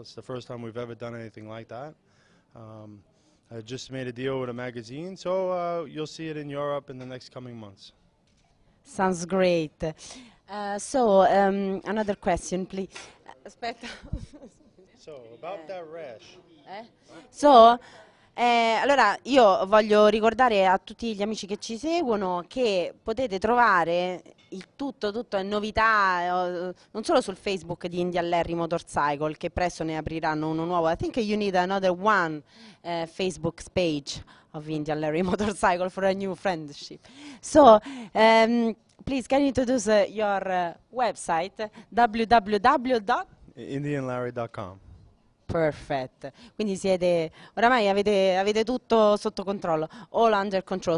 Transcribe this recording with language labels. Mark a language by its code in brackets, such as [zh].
[en] It's the first time we've ever done anything like that. I just made a deal with a magazine, so you'll see it in Europe in the next coming months. Sounds great. So, another question, please. [it] Aspetta. [en] So, about that rash. [it] So, allora, io voglio ricordare a tutti gli amici che ci seguono che potete trovare il tutto è novità, non solo sul Facebook di Indian Larry Motorcycle, che presto ne apriranno uno nuovo. [en] I think you need another one Facebook page of Indian Larry Motorcycle for a new friendship. So, please, can you introduce your website, www.indianlarry.com. Perfect. [it] Quindi siete, oramai avete tutto sotto controllo, [en] all under control.